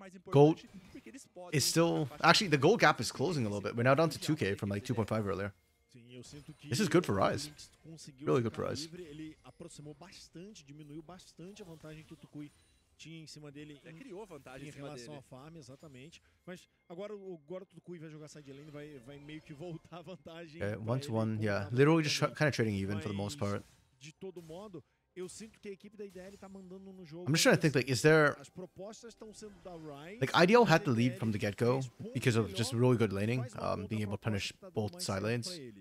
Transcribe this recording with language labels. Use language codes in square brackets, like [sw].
[en] Gold is still... Actually, the gold gap is closing a little bit. We're now down to 2k from like 2.5 earlier. This is good for Ryze. Really good for Ryze. [pt] Ele aproximou bastante, diminuiu bastante a vantagem que o Tukui tinha em cima dele. Ele criou vantagem em relação à farm, exatamente. Mas agora o Tukui vai jogar side lane, vai meio que voltar a vantagem. [en] One to one, yeah. Literally just kind of trading even for the most part. [pt] De todo modo, eu sinto que a equipe da IDL tá mandando no jogo. [en] I'm just trying to think, like, is there... [pt] As propostas estão sendo da Ryze. [en] Like, IDL had the lead from the get-go because of just really good laning, being able to punish both side lanes.